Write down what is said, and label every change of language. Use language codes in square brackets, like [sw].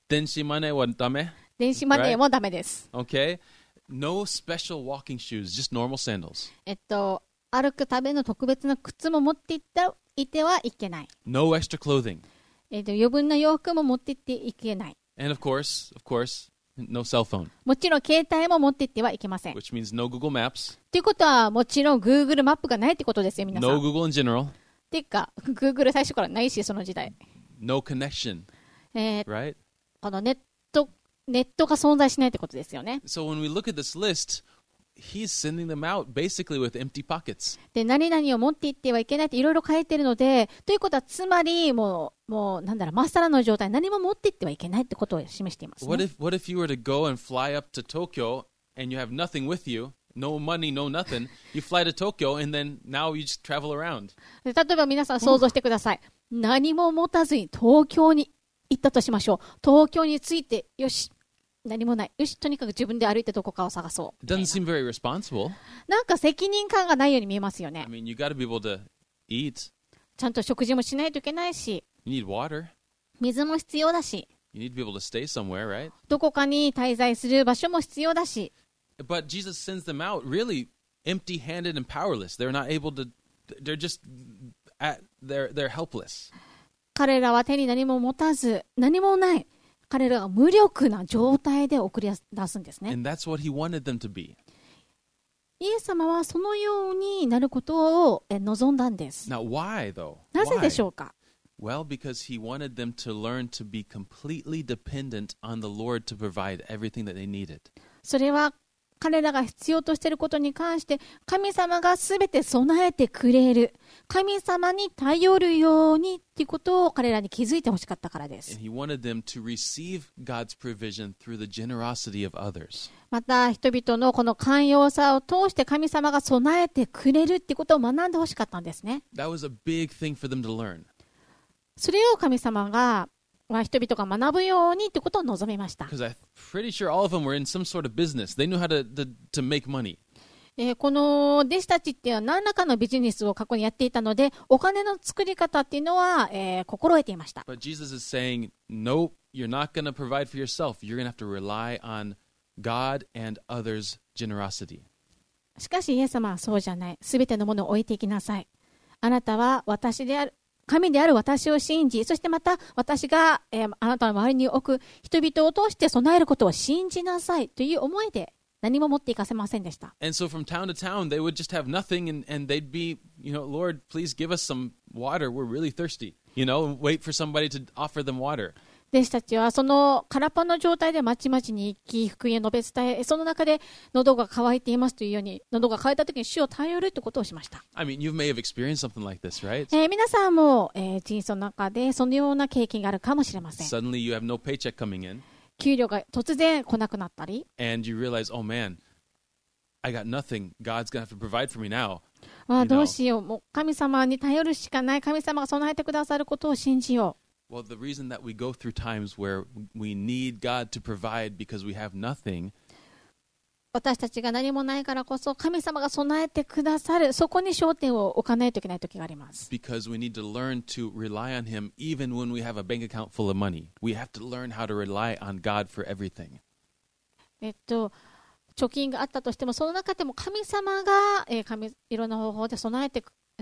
[ja] 電子マネーはダメ。電子マネーもダメです。 [en] Right? Okay. No special walking shoes, just normal sandals. [ja] 歩くための特別な靴も持っていっていてはいけない。 [en] No extra clothing. [ja] 余分な洋服も持っていっていけない。 [en] And of course,No cell phone. [ja] もちろん携帯も持って行ってはいけません。 [en] Which means no Google Maps. [ja] ということはもちろん Google マップがないってことですよ皆さん。 [en] No Google in general. [ja] ていうか Google 最初からないしその時代。 [en] No connection. Right? [ja] このネットが存在しないってことですよね。 [en] So when we look at this list, he's sending them out basically with empty pockets. [ja] で何々を持って行ってはいけないっていろいろ書いてるのでということはつまりもうもうなんだろう、まっさらの状態、何も持っていってはいけないってことを示しています、ね。 [en] What if you were to go and fly up to Tokyo and you have nothing with you, no money, no nothing, you fly to Tokyo and then now you just travel around. [ja] 例えば皆さん想像してください。何も持たずに東京に行ったとしましょう。東京に着いて、よし、何もない。よし、とにかく自分で歩いてどこかを探そう。 [en] It doesn't seem very responsible. [ja] なんか責任感がないように見えますよね。 [en] I mean, you gotta be able to eat. [ja] ちゃんと食事もしないといけないし。 [en] You need water. [ja] 水も必要だし [en] you need to be able to stay somewhere, right? [ja] どこかに滞在する場所も必要だし [en] But Jesus sends them out really empty-handed and powerless. They're not able to, they're just, they're helpless. [ja] 彼らは手に何も持たず、何もない。彼らは無力な状態で送り出すんですね。 [en] And that's what he wanted them to be. [ja] イエス様はそのようになることを望んだんです。 [en] Now, why, though? [ja] なぜでしょうか [en] Well, because he wanted them to learn to be completely dependent on the Lord to provide everything that they needed. [ja] それは彼らが必要としていることに関して神様がすべて備えてくれる神様に頼るようにということを彼らに気づいてほしかったからです。 [en] And he wanted them to receive God's provision through the generosity of others. [ja] また人々のこの寛容さを通して神様が備えてくれるということを学んでほしかったんですね。 [en] That was a big thing for them to learn. [ja] それを神様が、まあ、人々が学ぶようにってことを望みました。 [en] Because I'm pretty sure all of them were in some sort of business. They knew how to make money. [ja] この弟子たちっていうのは何らかのビジネスを過去にやっていたので、お金の作り方っていうのは、心得ていました。 [en] But Jesus is saying, "Nope, you're not going to provide for yourself. You're going to have to rely on God and others' generosity." [ja] しかしイエス様はそうじゃない。すべてのものを置いていきなさい。あなたは私である。神である私を信じ、そしてまた私が、あなたの周りに置く人々を通して備えることを信じなさいという思いで何も持っていかせませんでした。 [en] And so from town to town, they would just have nothing and they'd be, you know, Lord, please give us some water. We're really thirsty. You know, wait for somebody to offer them water. [ja] 弟子たちはその空っぽの状態でまちまちに行き、福音を述べ伝え、その中で喉が渇いていますというように、喉が渇いた時に主を頼るということをしました。 [en] I mean, you may have experienced something like this, right? [ja] 皆さんも、人生の中でそのような経験があるかもしれません。 [en] Suddenly you have no paycheck coming in. [ja] 給料が突然来なくなったり。 [en] And you realize, oh man, I got nothing. God's gonna have to provide for me now. [ja] まあ、どうしよう。もう神様に頼るしかない。神様が備えてくださることを信じよう。 [en] Well, the reason that we go through times where we need God to provide because we have nothing. [ja] 私たちが何もないからこそ神様が備えてくださるそこに焦点を置かないといけない時があります。 [en] Because we need to learn to rely on Him even when we have a bank account full of money. We have to learn how to rely on God for everything. [ja] 貯金があったとしてもその中でも神様が、神いろんな方法で備えてく。